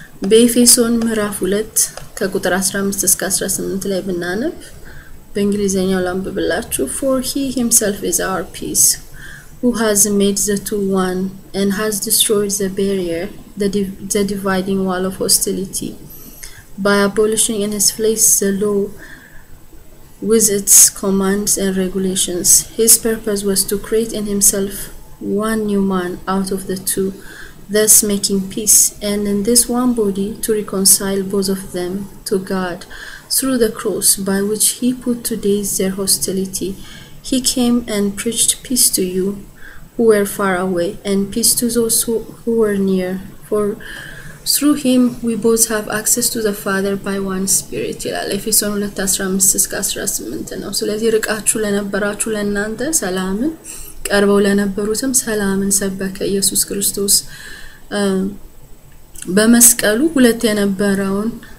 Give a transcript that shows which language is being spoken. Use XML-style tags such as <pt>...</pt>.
<am>በኤፌሶን ምዕራፍ 2 ከቁጥር 15 እስከ 18 ላይ ብናነብ በእንግሊዘኛው ላንብብላችሁ።</am> <en>For he himself is our peace, who has made the two one and has destroyed the barrier, the dividing wall of hostility, by abolishing in his place the law with its commands and regulations. His purpose was to create in himself one new man out of the two, thus making peace, and in this one body to reconcile both of them to God through the cross, by which he put to death their hostility. He came and preached peace to you who were far away, and peace to those who were near. For through him we both have access to the Father by one Spirit,</en> <am>ይላል ኤፌሶን 2:15-18 ነው። ስለዚህ ርቃችሁ ለነበራችሁ ለእናንተ ሰላምን፣ ቀርበው ለነበሩትም ሰላምን ሰበከ ኢየሱስ ክርስቶስ። በመስቀሉ ሁለት የነበረውን</am>